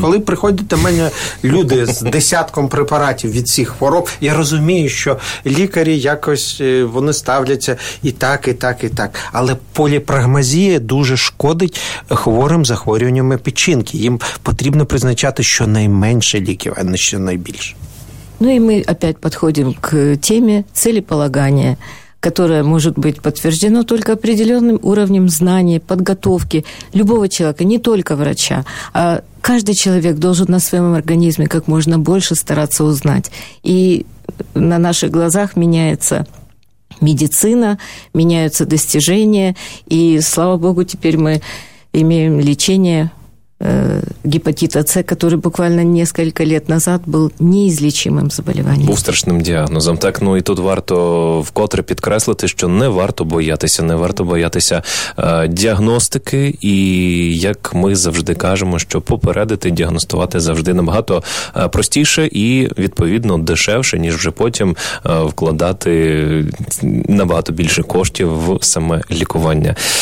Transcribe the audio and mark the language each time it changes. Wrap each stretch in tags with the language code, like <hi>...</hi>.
<uk>Коли приходять до мене люди з десятком препаратів від цих хвороб, я розумію, що лікарі якось вони ставляться і так, і так, і так. Але поліпрагмазія дуже шкодить хворим захворюваннями печінки. Їм потрібно призначати щонайменше ліків, а не щонайбільше. Ну і ми опять підходимо к темі цілеполагання,</uk> <ru>которое может быть подтверждено только определенным уровнем знаний, подготовки любого человека, не только врача. А каждый человек должен на своем организме как можно больше стараться узнать. И на наших глазах меняется медицина, меняются достижения, и, слава богу, теперь мы имеем лечение гепатита С, который буквально несколько лет назад был неизлечимым заболеванием.</ru> <uk>Був страшним діагнозом. Так, ну і тут варто вкотре підкреслити, що не варто боятися, не варто боятися діагностики, і як ми завжди кажемо, що попередити, діагностувати завжди набагато простіше і, відповідно, дешевше, ніж вже потім вкладати набагато більше коштів в саме лікування.</uk>